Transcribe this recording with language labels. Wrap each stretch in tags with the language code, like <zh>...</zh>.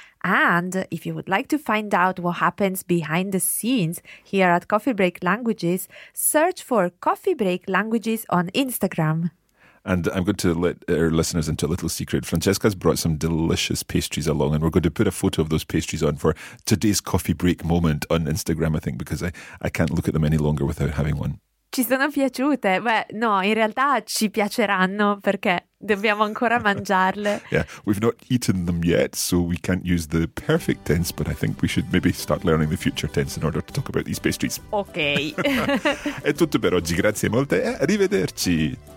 <en>And if you would like to find out what happens behind the scenes here at Coffee Break Languages, search for Coffee Break Languages on Instagram. And I'm going to let our listeners into a little secret. Francesca's brought some delicious pastries along, and we're going to put a photo of those pastries on for today's coffee break moment on Instagram, I think, because I can't look at them any longer without having one.</en> <it>Ci sono piaciute? Beh, no, in realtà ci piaceranno perché dobbiamo ancora mangiarle.</it> <en>Yeah, we've not eaten them yet, so we can't use the perfect tense, but I think we should maybe start learning the future tense in order to talk about these pastries.</en> <it>Ok. È tutto per oggi, grazie molte e arrivederci.</it>